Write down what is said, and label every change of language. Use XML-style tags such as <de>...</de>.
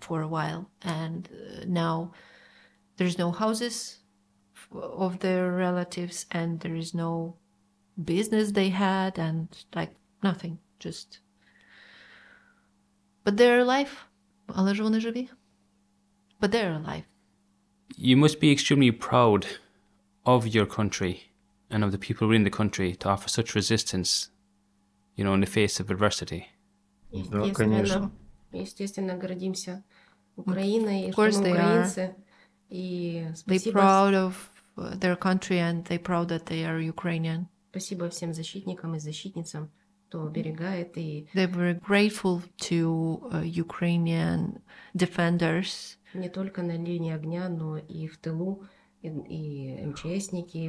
<en>for a while, and now there's no houses of their relatives, and there is no business they had, and like nothing, just but their life</en> <uk>Але ж вони живі.</uk> <en>But they're alive. You must be extremely proud of your country and of the people within the country to offer such resistance, you know, in the face of adversity.</en> <ru>Да, конечно. Естественно, гордимся Украиной и украинцы.</ru> <en>They're proud of their country and they're proud that they are Ukrainian.</en> <ru>Спасибо всем защитникам и защитницам, кто оберегает и...</ru> <en>They were grateful to Ukrainian defenders.</en> <ru>Не только на линии огня, но и в тылу, и МЧСники, и</ru>